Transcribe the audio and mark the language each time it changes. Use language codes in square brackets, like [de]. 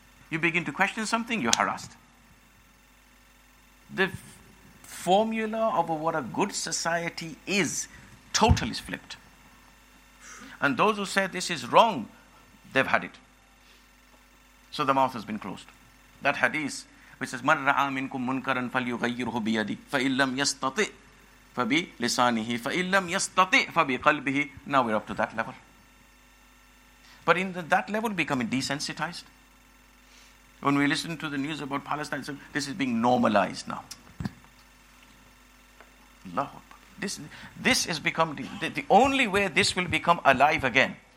[en] You begin to question something, you're harassed. The formula of what a good society is totally flipped. And those who say this is wrong, they've had it. So the mouth has been closed. That hadith, which says, [ar] مَنْ رَعَى مِنْكُمْ مُنْكَرًا فَلْيُغَيِّرْهُ بِيَدِي فَإِلَّمْ يَسْتَطِئْ فبي لسانه فإن لم يستطع فبقلبه. [en] Now we're up to that level. But in that level, becoming desensitized. When we listen to the news about Palestine, this is being normalized now. Allahu Akbar. This has become the only way this will become alive again.